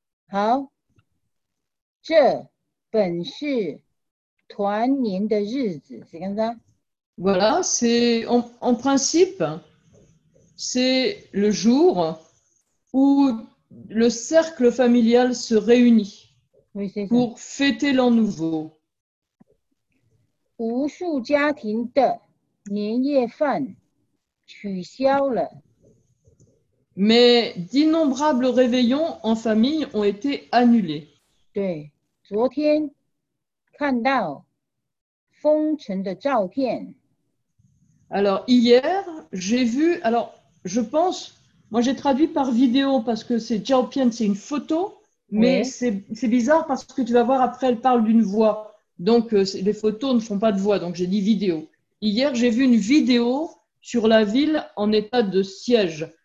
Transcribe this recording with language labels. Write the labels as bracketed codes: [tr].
[zh] 好，这本是团年的日子，是干啥 [fr] ？Voilà, c'est en principe, c'est le jour où le cercle familial se réunit pour fêter l'an nouveau. [zh] 无数家庭的年夜饭取消了。 [fr] Mais d'innombrables réveillons en famille ont été annulés. [zh] 对，昨天看到封城的照片。 [fr] Alors hier, j'ai vu. Alors, je pense, moi j'ai traduit par vidéo parce que c'est 照片, c'est une photo, mais c'est bizarre parce que tu vas voir après, elle parle d'une voix, donc les photos ne font pas de voix, donc j'ai dit vidéo. Hier, j'ai vu une vidéo sur la ville en état de siège.